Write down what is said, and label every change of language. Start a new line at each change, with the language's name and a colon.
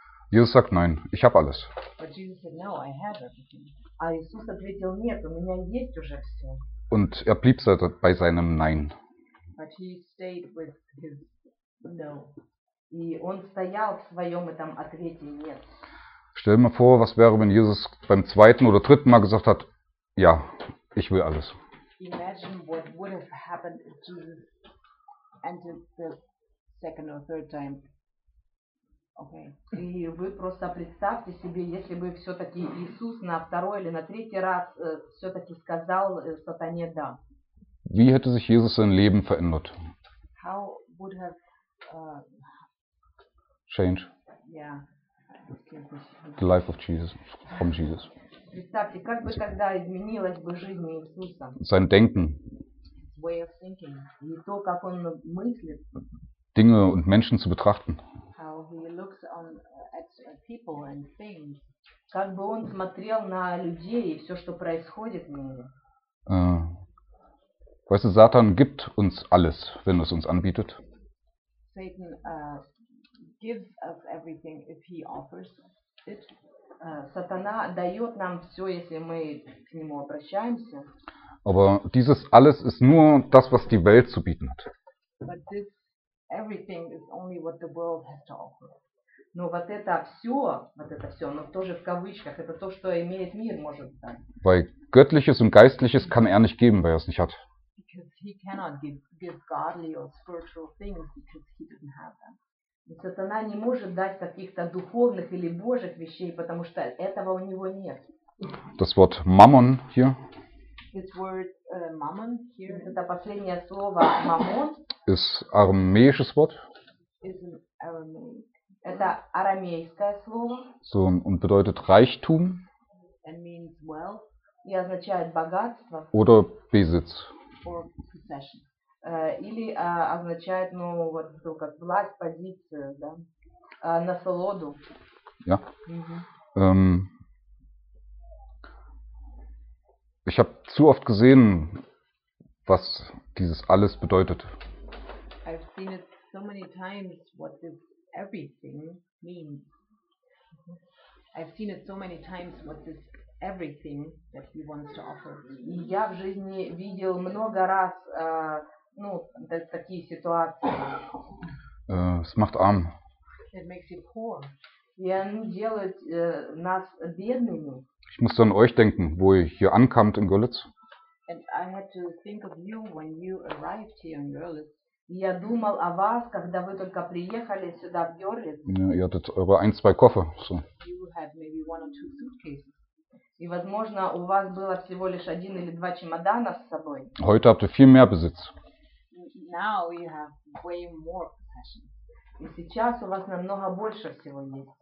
German: Jesus sagt, nein, ich habe alles.
English: But Jesus said, no, I have everything.
Russian: А Иисус ответил, нет, у меня есть уже все.
German: Und blieb bei seinem nein.
English: But he stayed with his no.
Russian: И он стоял в своем этом ответе, нет.
German: Stell dir mal vor, was wäre, wenn Jesus beim zweiten oder dritten Mal gesagt hat, ja, ich will alles.
English: Imagine what would have happened if Jesus entered the second or third time. Okay.
Russian: И вы просто представьте себе, если бы все-таки Иисус на второй или на третий раз все-таки сказал сатане да.
German: Wie hätte sich Jesus sein Leben verändert?
English: How would have change? Yeah. The life of Jesus, from Jesus.
Russian: Представьте, как бы тогда изменилась бы жизнь Иисуса.
German: Sein Denken.
English: His way of thinking.
Russian: И то, как он мыслит.
German: Dinge und Menschen zu betrachten.
English: How he looks on at people and things.
Russian: Как бы он смотрел на людей и все, что происходит в мире.
German: Weißt du, Satan gibt uns alles, wenn es uns anbietet.
English: Satan gives us everything if he offers it.
Russian: Сатана дает нам все, если мы к нему обращаемся.
German: Aber dieses alles ist nur das, was die Welt zu bieten hat.
English: But this everything is only what the world has to offer.
Russian: Но вот это все, но тоже в кавычках, это то, что имеет мир, может дать.
German: Weil göttliches und geistliches kann er nicht geben, weil er es nicht hat.
English: Because he cannot give godly or spiritual things because he doesn't have them.
Russian: И сатана не может дать каких-то духовных или божьих вещей, потому что этого у него нет.
German: Das Wort Mammon hier.
English: This word Mammon here.
Russian: Это последнее слово Mammon.
German: Ist aramäisches Wort.
English: Is an Aramaic.
Russian: Это арамейское слово.
German: So und bedeutet Reichtum.
English: And means wealth.
Russian: И означает богатство.
German: Oder Besitz.
English: Or possession.
Russian: Или означает, ну, вот то, как власть, позицию, да, насолоду.
German: Ja. Mm-hmm. Ich habe zu oft gesehen, was dieses alles bedeutet.
English: I've seen it so many times, what this everything means. I've seen it so many times, what this everything that he wants to offer.
Russian: И я в жизни видел много раз, ну, такие ситуации.
German: Es macht arm.
English: It makes you poor.
Russian: И они делают нас бедными.
German: Ich musste an euch denken, wo ihr hier ankamt in Görlitz.
English: And I had to think of you when you arrived here in Görlitz.
Russian: И я думал о вас, когда вы только приехали сюда в Görlitz.
German: Ja, ihr hattet eure ein, zwei Koffer. So.
English: You had maybe one or two suitcases. И
Russian: возможно, у вас было всего лишь один или два чемодана с собой.
German: Heute habt ihr viel mehr Besitz.
English: Now you have way more possessions.
Russian: И сейчас у вас намного больше всего есть.